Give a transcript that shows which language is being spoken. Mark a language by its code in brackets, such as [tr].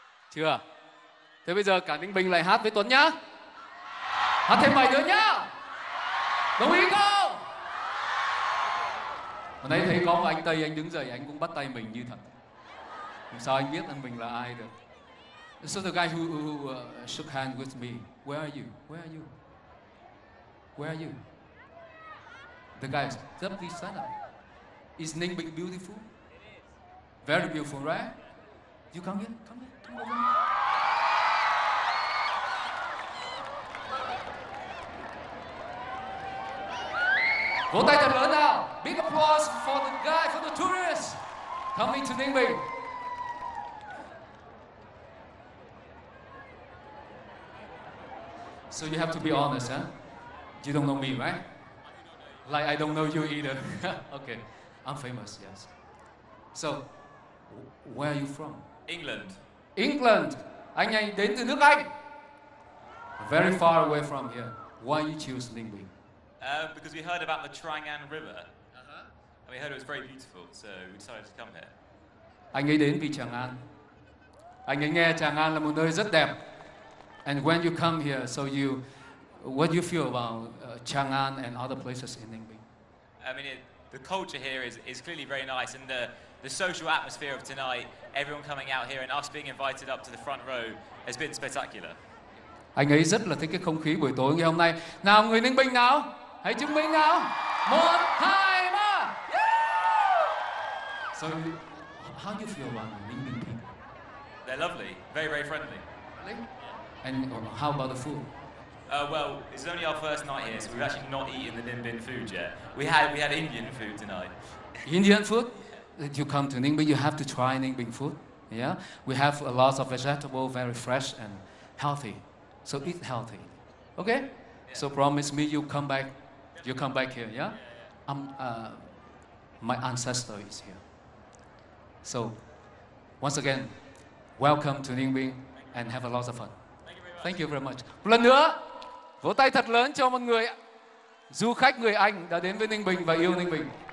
[vi] Chưa. Thế bây giờ cả Ninh Bình lại hát với Tuấn nhá. Hát thêm bài nữa nhá. Đồng ý không? Hồi nãy thấy có một anh Tây anh đứng dậy anh cũng bắt tay mình như thật. Làm sao anh biết anh mình là ai được? [en] So the guy who shook hands with me, where are you? Where are you? Where are you? The guy just please stand up. Is Ninh Bình beautiful? Very beautiful, right? You come here, come here, come over here. [vi] Vỗ tay thật lớn nào. [en] Big applause for the guy, for the tourist coming to Ninh Bình. So you have to be honest, huh? You don't know me, right? Like I don't know you either. Okay, I'm famous, yes. So, where are you from? England. [vi] England. Anh ấy đến từ nước Anh. [en] Very far away from here. Why you choose Ninh Bình? Because we heard about the Trang An River. Uh-huh. And we heard it was very beautiful, so we decided to come here. [vi] Anh ấy đến vì Tràng An. Anh ấy nghe Tràng An là một nơi rất đẹp. [en] And when you come here, so you, what do you feel about Tràng An and other places in Ninh Bình? I mean, the culture here is clearly very nice, and the social atmosphere of tonight, everyone coming out here and us being invited up to the front row has been spectacular. [vi] Anh ấy rất là thích cái không khí buổi tối ngày hôm nay. Nào người Ninh Bình nào, hãy chứng minh nào. Một, hai, ba. [en] So, how do you feel about Ninh Bình people? They're lovely, very, very friendly. And how about the food? Well, it's only our first night here, so we've actually not eaten the Ninh Bình food yet. We had Indian food tonight. Indian food? If you come to Ninh Bình, you have to try Ninh Bình food. Yeah, we have a lot of vegetable, very fresh and healthy. So eat healthy, okay? Yeah. So promise me you come back. You come back here. Yeah, yeah. My ancestor is here. So once again, welcome to Ninh Bình and have a lot of fun. Thank you very much. [vi] Một lần nữa, vỗ tay thật lớn cho một người du khách người Anh đã đến với Ninh Bình và yêu Ninh Bình.